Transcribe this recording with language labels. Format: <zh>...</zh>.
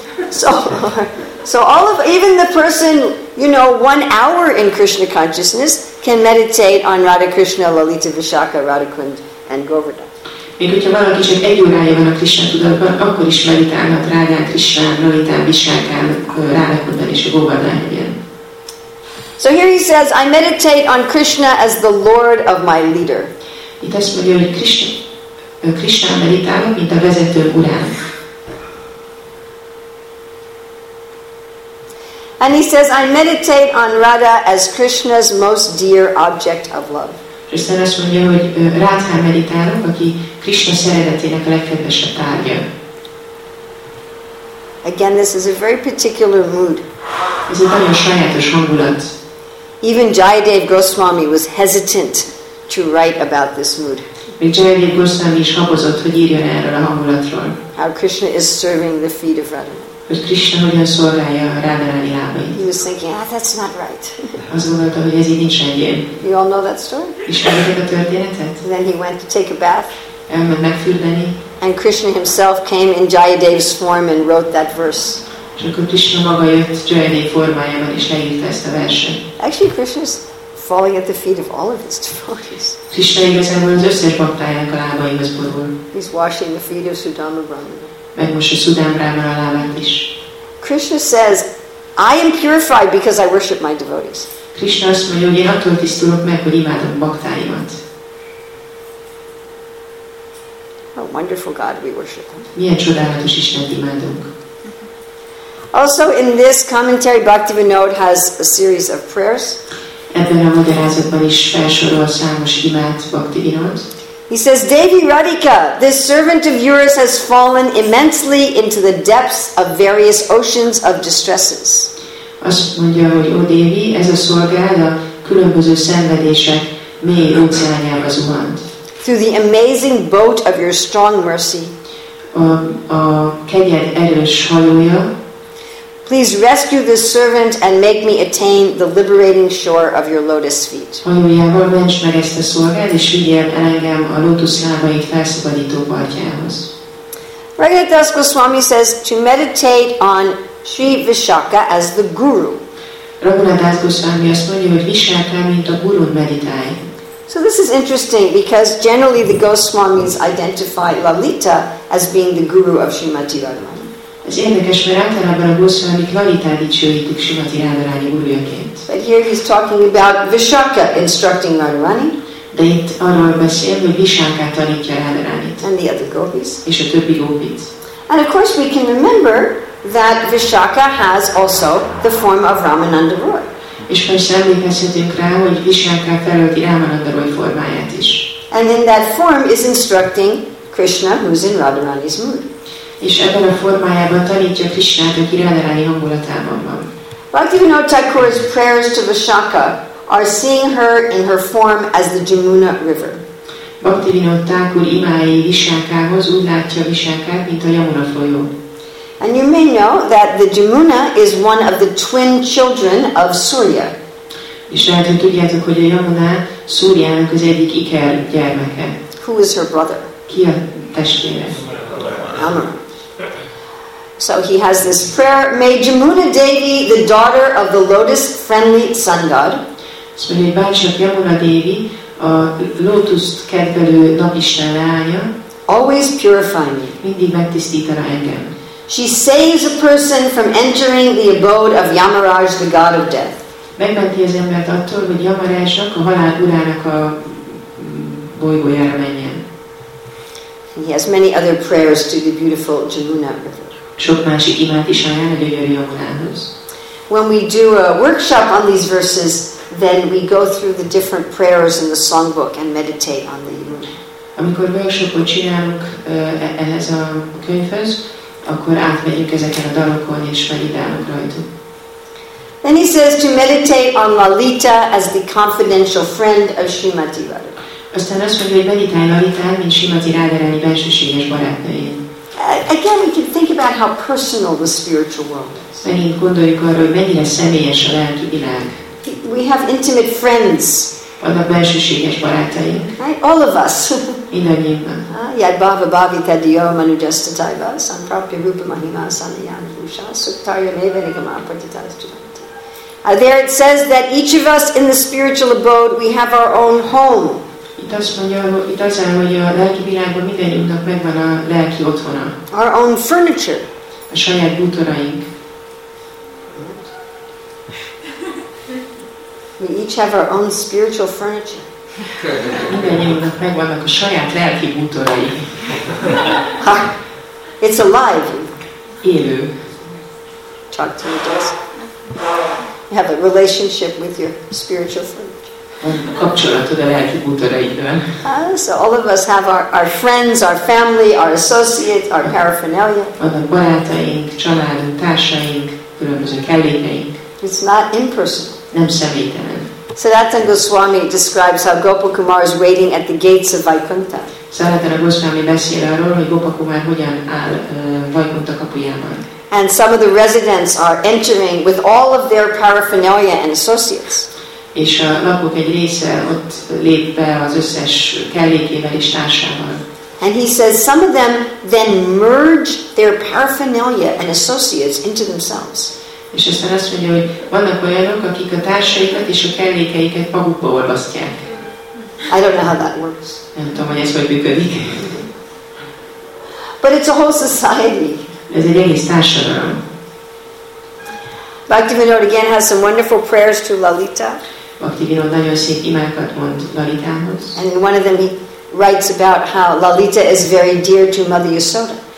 <en>So all of, even the person, you know, 1 hour in Krishna consciousness can meditate on Radha Krishna, Lalita Vishakha, Radhakund, and Govardhan.</en> <hu>Még hogyha valaki csak egy órája van a Krishna tudatban, akkor is meditálhat Rádán Krishna, Lalitán, Visákán, Rádákodban és a Govardhan helyen.</hu> <en>So here he says, I meditate on Krishna as the Lord of my leader.</en> <hu>Itt azt mondja, hogy Krishna meditálok, mint a vezető urán.</hu> <en>And he says, I meditate on Radha as Krishna's most dear object of love.</en> <hu>És aztán azt mondja, hogy Rádhán meditálok, aki Krishna szeretetének a legkedvesebb tárgya.</hu> <en>Again, this is a very particular mood.</en> <hu>Ez egy nagyon sajátos hangulat.</hu> <en>Even Jayadev Goswami was hesitant to write about this mood.</en> <hu>Még Jayadev Goswami is habozott, hogy írjon erről a hangulatról.</hu> <en>How Krishna is serving the feet of Radha.</en> <hu>Hogy Krishna hogyan szolgálja a Rádhárani lábait.</hu> <en>He was thinking, ah, that's not right.</en> <hu>Az gondolta, hogy ez így nincs rendjén.</hu> <en>You all know that story?</en> <hu>Ismerjük a történetet?</hu> <en>And then he went to take a bath.</en> <hu>Elment megfürdeni.</hu> <en>And Krishna himself came in Jayadev's form and wrote that verse.</en> <hu>És akkor Krishna maga jött Jayadev formájában és leírta ezt a verset.</hu> <en>Actually, Krishna's falling at the feet of all of his devotees.</en> <hu>Krishna igazából az összes baktájának a lábaihoz borul.</hu> <en>He's washing the feet of Sudama Brahmana.</en> <hu>Megmosja Sudama Brahmana a lábát is.</hu> <en>Krishna says, I am purified because I worship my devotees.</en> <hu>Krishna azt mondja, hogy én attól tisztulok meg, hogy imádom baktáimat.</hu> <en>What a wonderful God we worship.</en> <hu>Milyen csodálatos Istent imádunk.</hu> <en>Also in this commentary, Bhaktivinoda has a series of prayers.</en> <hu>Ebben a magyarázatban is felsorol számos imát Bhaktivinoda.</hu> <en>He says, Devi Radhika, this servant of yours has fallen immensely into the depths of various oceans of distresses.</en> <hu>Azt mondja, hogy ó Devi, ez a szolgád a különböző szenvedések mély óceánjába zuhant.</hu> <en>Through the amazing boat of your strong mercy,</en> <hu>a kegyed erős hajója,</hu> <en>please rescue this servant and make me attain the liberating shore of your lotus feet.</en> <hu>Hajójával ments meg ezt a szolgád, és vigyél el engem a lótusz lábait felszabadító partjához.</hu> <en>Raghunathdas Goswami says to meditate on Sri Vishakha as the guru.</en> <hu>Raghunathdas Goswami azt mondja, hogy Vishakha, mint a gurun meditálj.</hu> <en>So this is interesting because generally the Goswamis identify Lalita as being the guru of Srimati Radharani.</en> <hu>Ez érdekes, mert általában a Goswamik Lalitát dicsőítik Simati Rádarányi gurujaként.</hu> <en>But here he's talking about Vishakha instructing Radharani.</en> <hu>De itt arról beszél, hogy Vishakha tanítja Rádarányit.</hu> <en>And the other gopis.</en> <hu>És a többi gopit.</hu> <en>And of course we can remember that Vishakha has also the form of Ramananda Roy.</en> <hu>És persze emlékezhetünk rá, hogy Vishakha felölti Ramananda Roy formáját is.</hu> <en>And in that form is instructing Krishna, who's in Radharani's mood.</en> <hu>És ebben a formájában tanítja Krishnát, aki Radharani hangulatában van.</hu> <en>Bhaktivinoda Thakur's prayers to Vishakha are seeing her in her form as the Jamuna River.</en> <hu>Bhaktivinoda Thakur imái Vishakhához úgy látja Vishakhát, mint a Yamuna folyó.</hu> <en>And you may know that the Jamuna is one of the twin children of Surya.</en> <hu>És lehet, hogy tudjátok, hogy a Yamuna Suryának az egyik iker gyermeke.</hu> <en>Who is her brother?</en> <hu>Ki a testvére?</hu> <en>So he has this prayer, may Jamuna Devi, the daughter of the lotus friendly sun god. So he</en> <hu>bácsak Jamuna Devi, a lotus kedvelő napisten leánya.</hu> <en>Always purify me.</en> <hu>Mindig megtisztítana engem.</hu> <en>She saves a person from entering the abode of Yamaraj, the god of death.</en> <hu>Megmenti az embert attól, hogy Yamarajnak, a halál urának a bolygójára menjen.</hu> <en>He has many other prayers to the beautiful Jamuna River.</en> <hu>Sok másik imát is ajánl a gyönyörű Yamunához.</hu> <en>When we do a workshop on these verses, then we go through the different prayers in the songbook and meditate on the Yamuna.</en> <hu>Amikor workshopot csinálunk ehhez a könyvhöz, akkor átmegyünk ezeken a dalokon és meditálunk rajtuk.</hu> <en>Then he says to meditate on Lalita as the confidential friend of Srimati Radha.</en> <hu>Aztán azt mondja, hogy meditálj Lalitán, mint Simati Rádarányi bensőséges barátnőjén.</hu> <en>Again, we can think about how personal the spiritual world is.</en> <hu>Megint gondoljuk arra, hogy mennyire személyes a lelki világ.</hu> <en>We have intimate friends.</en> <hu>Vannak bensőséges barátaink.</hu> <en>Right? All of us.</en> <hu>Mindannyiunkban.</hu> <sa>Yad bhava bhavita diyo manu jasta taiva sampraapya rupa mahima sanayana bhusha suktarya mevenikama apatitas jivanta.</sa> <en>There it says that each of us in the spiritual abode, we have our own home.</en> <hu>Itt azt mondja, itt az áll, hogy a lelki világban mindenünknek megvan a lelki otthona.</hu> <en>Our own furniture.</en> <hu>A saját bútoraink.</hu> <en>We each have our own spiritual furniture.</en> <hu>Mindenünknek megvannak a saját lelki bútorai.</hu> <en>It's alive.</en> <hu>Élő.</hu> <en>Talk to me, Jess. You have a relationship with your spiritual furniture.</en> <hu>Kapcsolatod a lelki bútoraidban.</hu> <en>So all of us have our friends, our family, our associates, our paraphernalia.</en> <hu>Vannak barátaink, családunk, társaink, különböző kellékeink.</hu> <en>It's not impersonal.</en> <hu>Nem személytelen.</hu> <en>Saratana Goswami describes how Gopakumar is waiting at the gates of Vaikuntha.</en> <hu>Saratana Goswami beszél arról, hogy Gopakumar hogyan áll Vaikuntha kapujában.</hu> <en>And some of the residents are entering with all of their paraphernalia and associates.</en> <hu>És a lakók egy része ott lép be az összes kellékével és társával.</hu> <en>And he says some of them then merge their paraphernalia and associates into themselves.</en> <hu>És aztán azt mondja, hogy vannak olyanok, akik a társaikat és a kellékeiket magukba olvasztják.</hu> <en>I don't know how that works.</en> <hu>Nem tudom, hogy ez hogy működik.</hu> <en>But it's a whole society.</en> <hu>Ez egy egész társadalom.</hu> <en>Bhaktivinoda again has some wonderful prayers to Lalita.</en> <hu>Bhaktivinoda nagyon szép imákat mond Lalitához.</hu> <en>And in one of them he writes about how Lalita is very dear to Mother Yasoda.</en>